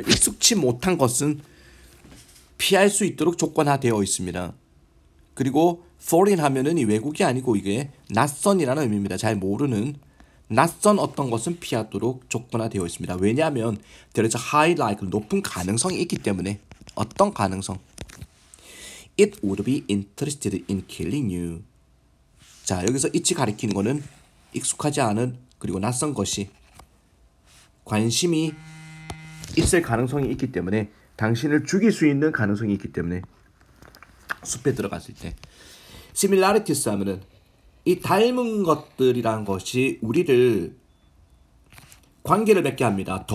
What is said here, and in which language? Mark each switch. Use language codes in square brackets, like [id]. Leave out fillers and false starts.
[ko] 익숙치 못한 것은 피할 수 있도록 조건화되어 있습니다. 그리고 foreign 하면은 이 외국이 아니고 이게 낯선이라는 의미입니다. 잘 모르는 낯선 어떤 것은 피하도록 조건화되어 있습니다. 왜냐하면 [en] there is a high likelihood, [ko] 높은 가능성이 있기 때문에 어떤 가능성? [en] It would be interested in killing you. [ko] 자, 여기서 it 가리키는 거는 익숙하지 않은 그리고 낯선 것이 관심이 있을 가능성이 있기 때문에 당신을 죽일 수 있는 가능성이 있기 때문에 숲에 들어갔을 때 similarities 하면은 이 닮은 것들이라는 것이 우리를 관계를 맺게 합니다.